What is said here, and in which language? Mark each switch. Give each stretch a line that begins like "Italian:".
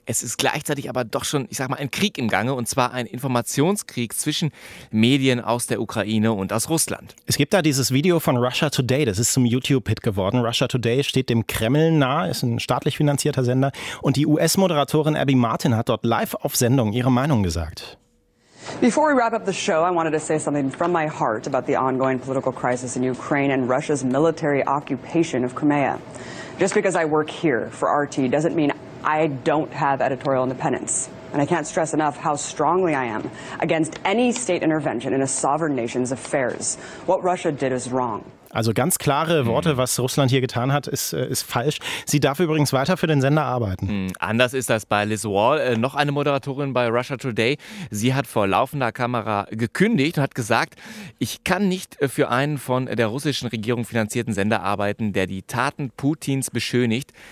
German: Es ist gleichzeitig aber doch schon, ich sag mal, ein Krieg im Gange. Und zwar ein Informationskrieg zwischen Medien aus der Ukraine und aus Russland. Es gibt da dieses Video von Russia Today. Das ist zum YouTube-Hit geworden. Russia Today steht dem Kreml nahe. Ist ein staatlich finanzierter Sender. Und die US-Moderatorin Abby Martin hat dort live auf Sendung ihre Meinung gesagt.
English: Before we wrap up the show, I wanted to say something from my heart about the ongoing political crisis in Ukraine and Russia's military occupation of Crimea. Just because I work here for RT doesn't mean I don't have editorial independence. And I can't stress enough how strongly I am against any state intervention in a sovereign nation's affairs. What Russia did is wrong.
German: Also ganz klare Worte, was Russland hier getan hat, ist falsch. Sie darf übrigens weiter für den Sender arbeiten. Anders ist das bei Liz Wall, noch eine Moderatorin bei Russia Today. Sie hat vor laufender Kamera gekündigt und hat gesagt, ich kann nicht für einen von der russischen Regierung finanzierten Sender arbeiten, der die Taten Putins beschönigt.